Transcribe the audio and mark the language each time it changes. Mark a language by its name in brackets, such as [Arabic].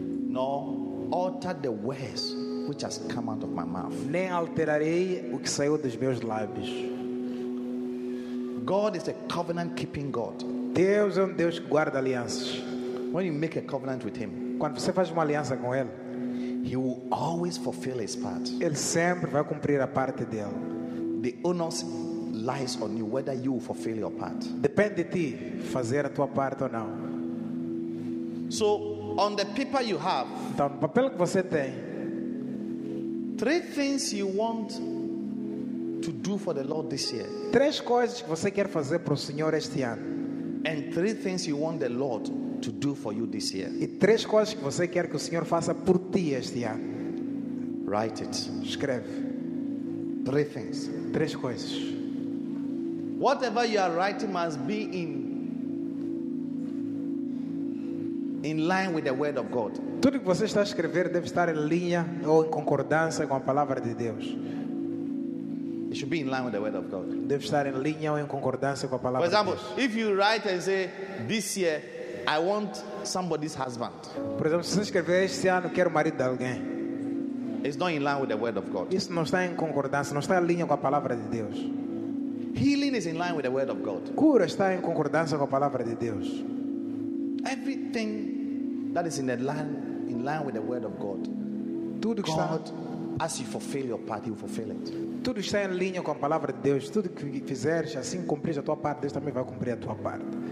[English] Nor alter the words which has come out of my mouth. [Portuguese] Nem alterarei o que saiu dos meus lábios." [English] God is a covenant-keeping God. [Portuguese] Deus Deus que guarda alianças. [English] When you make a covenant with Him, [Portuguese] quando você faz uma aliança com Ele, [English] He will always fulfill His part. [Portuguese] Ele sempre vai cumprir a parte dele. [English] The onus lies on you whether you fulfill your part. [Portuguese] Depende de ti fazer a tua parte ou não. [English] So, on the paper you have, [Portuguese] então, no papel que você tem, [English] three things you want to do for the Lord this year. [Portuguese] Três coisas que você quer fazer para o Senhor este ano. [English] And three things you want the Lord to do for you this year. [Portuguese] E três coisas que você quer que o Senhor faça por ti este ano. [English] Write it. [Portuguese] Escreve. [English] Three things. [Portuguese] Três coisas. [English] Whatever you are writing must be in line with the word of God. [Portuguese] Tudo que você está a escrever deve estar em linha ou em concordância com a palavra de Deus. [English] It should be in line with the word of God. [Portuguese] Deve estar em linha ou em concordância com a palavra. [English] For example, [Portuguese] de Deus. [English] If you write and say, "This year, I want somebody's husband." [Portuguese] Por exemplo, se você escrever este ano quero o marido de alguém. [English] It's not in line with the word of God. [Portuguese] Isso não está em concordância, não está em linha com a palavra de Deus. [English] Healing is in line with the word of God. [Portuguese] Cura está em concordância com a palavra de Deus. [English] Everything that is in line with the word of God. [Portuguese] Tudo que [English] God, as you fulfill your part, you fulfill it. [Portuguese] Tudo está em linha com a palavra de Deus. Tudo que fizeres, assim cumprires a tua parte, Deus também vai cumprir a tua parte.